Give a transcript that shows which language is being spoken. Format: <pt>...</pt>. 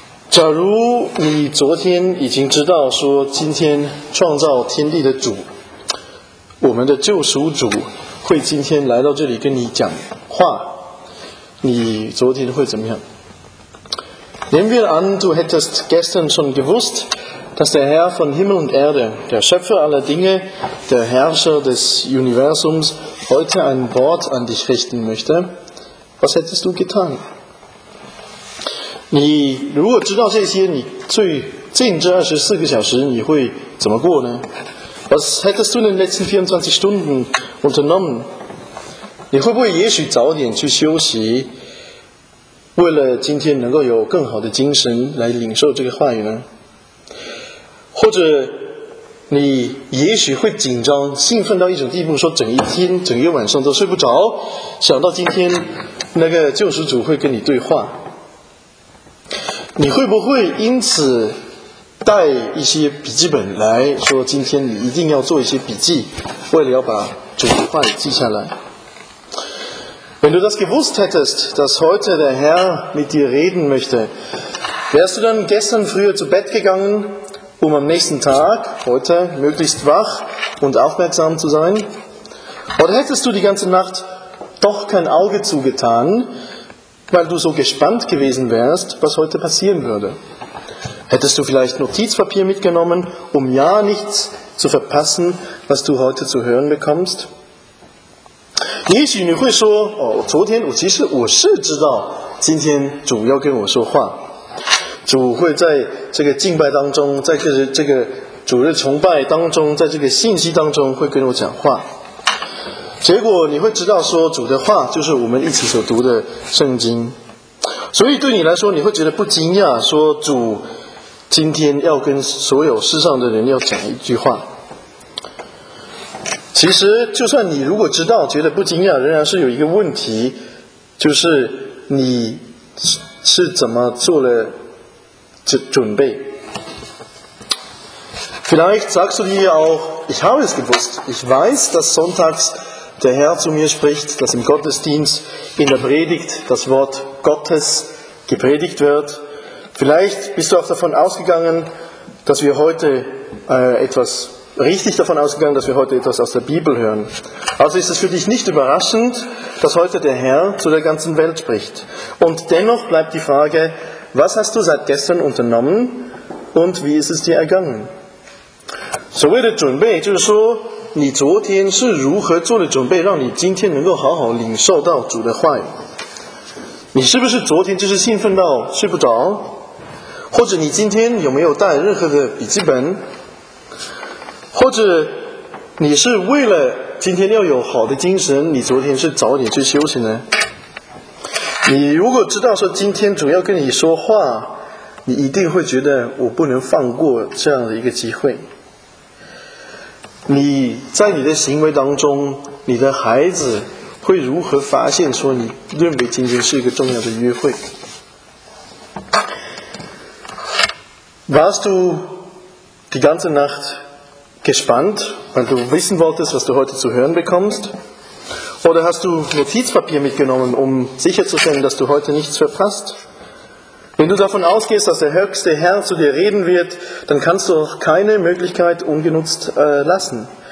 <zh>假如你昨天已经知道说今天创造天地的主，我们的救赎主会今天来到这里跟你讲话，你昨天会怎么样？</zh> <de>Nehmen wir an, du hättest gestern schon gewusst, dass der Herr von Himmel und Erde, der Schöpfer aller Dinge, der Herrscher des Universums, heute ein Wort an dich richten möchte. Was hättest du getan?</de> <zh>你如果知道这些，你最近这二十四个小时你会怎么过呢？</zh> <de>Was hättest du in den letzten 24 Stunden unternommen?</de> <zh>你会不会也许早点去休息，为了今天能够有更好的精神来领受这个话语呢？或者你也许会紧张兴奋到一种地步，说整一天整一个晚上都睡不着，想到今天那个救赎主会跟你对话，你会不会因此带一些笔记本来说，今天你一定要做一些笔记，为了要把主的话记下来。</zh> <de>Wenn du das gewusst hättest, dass heute der Herr mit dir reden möchte, wärst du dann gestern früher zu Bett gegangen, um am nächsten Tag, heute, möglichst wach und aufmerksam zu sein? Oder hättest du die ganze Nacht doch kein Auge zugetan, weil du so gespannt gewesen wärst, was heute passieren würde? Hättest du vielleicht Notizpapier mitgenommen, um ja nichts zu verpassen, was du heute zu hören bekommst?</de> <zh>也许你会说，哦，昨天我其实我是知道，今天主要跟我说话，主会在这个敬拜当中，在这个主日崇拜当中，在这个信息当中会跟我讲话。结果你会知道说，主的话就是我们一起所读的圣经。所以对你来说，你会觉得不惊讶，说主今天要跟所有世上的人要讲一句话。其实就算你如果知道觉得不惊讶，仍然是有一个问题，就是你是怎么做了准备。</zh> <de>Vielleicht sagst du dir auch, ich habe es gewusst, ich weiß, dass sonntags der Herr zu mir spricht, dass im Gottesdienst in der Predigt das Wort Gottes gepredigt wird. Vielleicht bist du auch davon ausgegangen, dass wir heute etwas richtig davon ausgegangen, dass wir heute etwas aus der Bibel hören. Also ist es für dich nicht überraschend, dass heute der Herr zu der ganzen Welt spricht. Und dennoch bleibt die Frage, was hast du seit gestern unternommen und wie ist es dir ergangen?</de> <zh>所谓的准备就是说，你昨天是如何做的准备，让你今天能够好好领受到主的话语。你是不是昨天就是兴奋到睡不着？或者你今天有没有带任何的笔记本？或者你是为了今天要有好的精神，你昨天是早点去休息呢？你如果知道说今天主要跟你说话，你一定会觉得我不能放过这样的一个机会。你在你的行为当中，你的孩子会如何发现说你认为今天是一个重要的约会。</zh> <de>Warst du die ganze Nacht gespannt, weil du wissen wolltest, was du heute zu hören bekommst? Oder hast du Notizpapier mitgenommen, um sicherzustellen, dass du heute nichts verpasst? Wenn du davon ausgehst, dass der höchste Herr zu dir reden wird, dann kannst du auch keine Möglichkeit ungenutzt lassen.</de>